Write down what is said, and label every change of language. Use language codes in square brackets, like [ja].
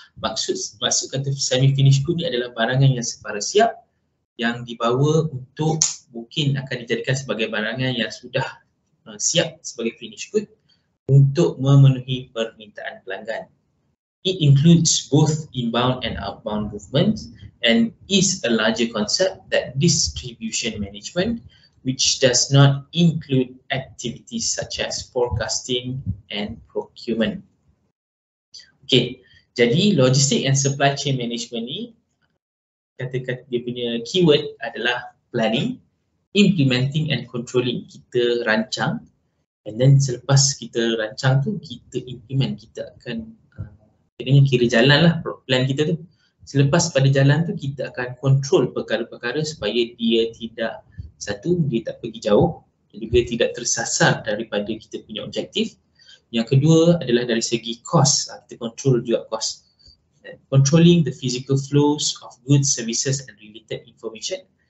[ms] Maksud kata semi-finished good ni adalah barangan yang separa siap yang dibawa untuk mungkin akan dijadikan sebagai barangan yang sudah siap sebagai finished good untuk memenuhi permintaan pelanggan. [en] It includes both inbound and outbound movements and is a larger concept than distribution management, which does not include activities such as forecasting and procurement. [ms] Okay, jadi logistic and supply chain management ni, kata-kata dia punya keyword adalah planning, implementing and controlling. Kita rancang, and then selepas kita rancang tu, kita implement, kita akan kira jalan lah plan kita tu. Selepas pada jalan tu, kita akan control perkara-perkara supaya dia tidak, satu, dia tak pergi jauh dan juga tidak tersasar daripada kita punya objektif. Yang kedua adalah dari segi cost, kita control juga cost. [en] Controlling the physical flows of goods, services and related information.